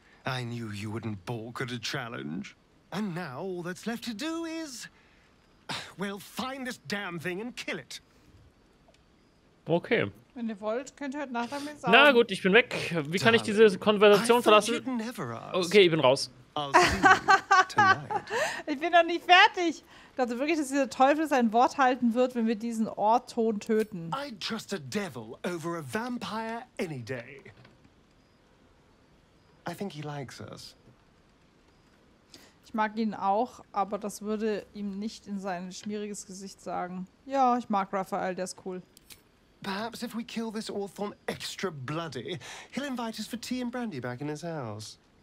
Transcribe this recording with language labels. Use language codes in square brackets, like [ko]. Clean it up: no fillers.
[en] I knew you wouldn't balk at a challenge. And now all that's left to do is, well, find this damn thing and kill it. Okay. [de] Wenn ihr wollt, könnt ihr heute nachher mit sagen. Na gut, ich bin weg. Wie kann ich diese Konversation verlassen? Okay, ich bin raus. Ich bin noch nicht fertig. Ich dachte wirklich, dass dieser Teufel sein Wort halten wird, wenn wir diesen Ortton töten. [en] I'd trust a devil over a vampire any day. I think he likes us. [de] Ich mag ihn auch, aber das würde ihm nicht in sein schmieriges Gesicht sagen. Ja, ich mag Raphael, der ist cool. [en] Perhaps if we kill this Orthon extra bloody, he'll invite us for tea and brandy back in his house.